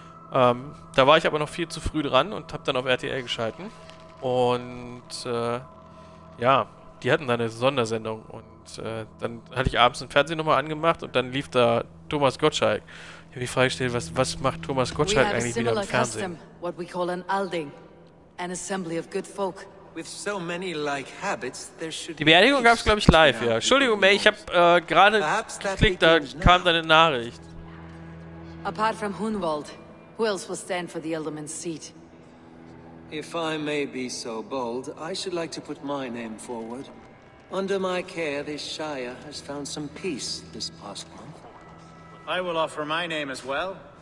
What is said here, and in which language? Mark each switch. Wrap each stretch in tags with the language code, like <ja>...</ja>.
<de>Da war ich aber noch viel zu früh dran und habe dann auf RTL geschalten. Und ja, die hatten da eine Sondersendung und dann hatte ich abends den Fernseher nochmal angemacht und dann lief da Thomas Gottschalk. Ich habe mich freigestellt, was macht Thomas Gottschalk eigentlich wieder im Fernsehen?</de> <en>What we call an Alding, an assembly of good folk. With so many like habits, there should be.</en> <de>Die Beerdigung gab es, glaube ich, live, ja. Entschuldigung, May, ich habe gerade geklickt, da kam deine Nachricht.</de> <en>Apart from Hunwald, who else will stand for the Elderman's seat? If I may be so bold, I should like to put my name forward. Under my care, this Shire has found some peace this past month. I will offer my name as well.</en>